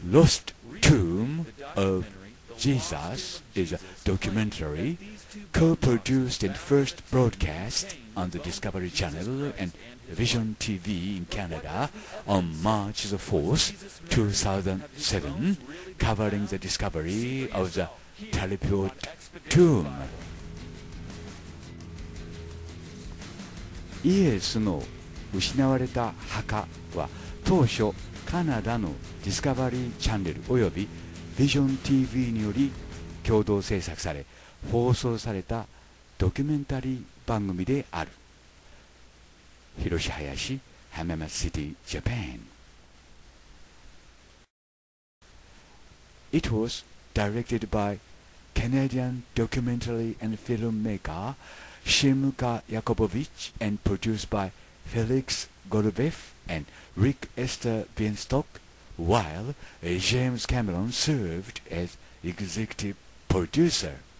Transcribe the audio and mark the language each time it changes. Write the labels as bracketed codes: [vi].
[en] The Lost Tomb of Jesus is a documentary co-produced and first broadcast on the Discovery Channel and Vision TV in Canada on March 4th, 2007, covering the discovery of the Talipot Tomb. [ja] イエスの失われた墓は当初カナダのディスカバリーチャンネルおよびビジョン TV により共同制作され放送されたドキュメンタリー番組である。広志林浜松シティジャパン。 [en] It was directed by Canadian documentary and filmmakerShimka Yakubovich and produced by Felix Golubev and Rick Esther Beanstock, while James Cameron served as executive producer.